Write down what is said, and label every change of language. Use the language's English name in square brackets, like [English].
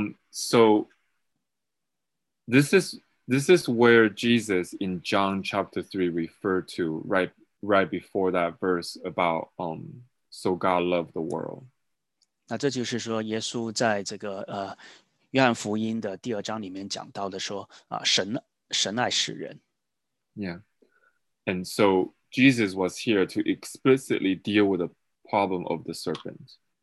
[English] So this is where Jesus in John chapter 3 referred to right before that verse about so God loved the world. [Chinese] 那这就是说耶稣在这个约翰福音的第二章里面讲到的说神爱世人。 [English] Yeah. And so Jesus was here to explicitly deal with the problem of the serpent.